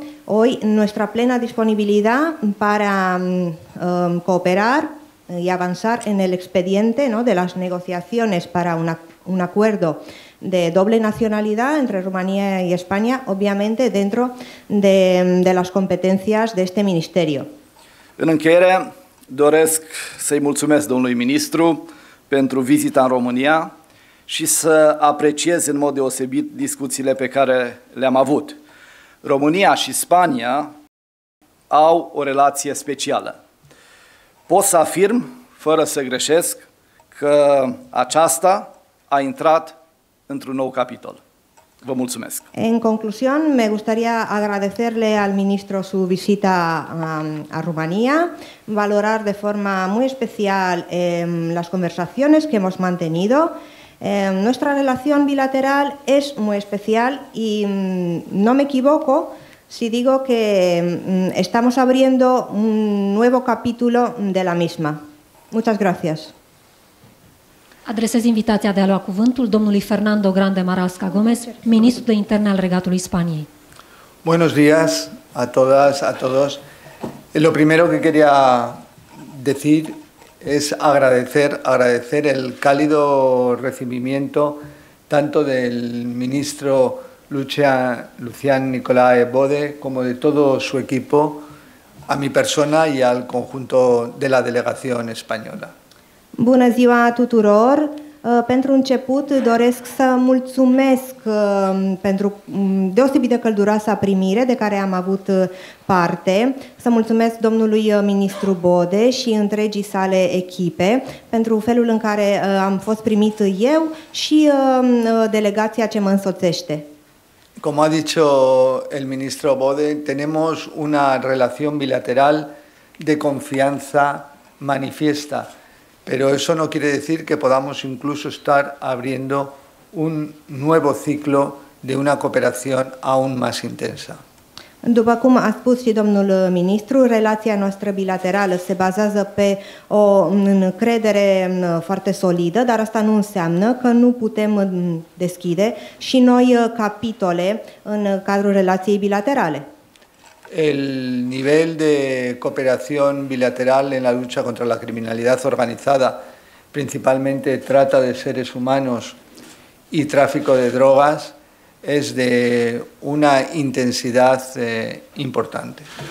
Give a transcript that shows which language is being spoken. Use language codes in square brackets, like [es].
[es] Hoy nuestra plena disponibilidad para cooperar y avanzar en el expediente, ¿no?, de las negociaciones para un acuerdo de doble nacionalidad entre Rumanía y España, obviamente dentro de las competencias de este ministerio. [ro] En încheiere, doresc să-i mulțumesc domnului ministru pentru vizita în România și să apreciez în mod deosebit discuțiile pe care le-am avut. România și Spania au o relație specială. Pot să afirm, fără să greșesc, că aceasta a intrat într-un nou capitol. Vă mulțumesc. În concluzie, [es] me gustaría agradecerle al ministro su visita a Rumanía, valorar de forma muy especial las conversaciones que hemos mantenido. Nuestra relación bilateral es muy especial y no me equivoco si digo que estamos abriendo un nuevo capítulo de la misma. Muchas gracias. [ro] Adresez invitația de a lua cuvântul domnului Fernando Grande Marasca Gómez, ministru de Interne al Regatului Spaniei. [es] Buenos días a todas, a todos. Lo primero que quería decir es agradecer el cálido recibimiento tanto del ministro Lucián Nicolae Bode como de todo su equipo a mi persona y al conjunto de la delegación española. [ro] Bună ziua tuturor! Pentru început doresc să mulțumesc pentru deosebită călduroasă primire de care am avut parte, să mulțumesc domnului ministru Bode și întregii sale echipe pentru felul în care am fost primit eu și delegația ce mă însoțește. [es] Como ha dicho el ministro Bode, tenemos una relación bilateral de confianza manifiesta. Pero eso no quiere decir que podamos incluso estar abriendo un nuevo ciclo de una cooperación aún más intensa. [ro] După cum a spus și domnul ministru, relația noastră bilaterală se bazează pe o încredere foarte solidă, dar asta nu înseamnă că nu putem deschide și noi capitole în cadrul relației bilaterale. [es] El nivel de cooperación bilateral en la lucha contra la criminalidad organizada, principalmente trata de seres humanos y tráfico de drogas, es de una intensidad importante.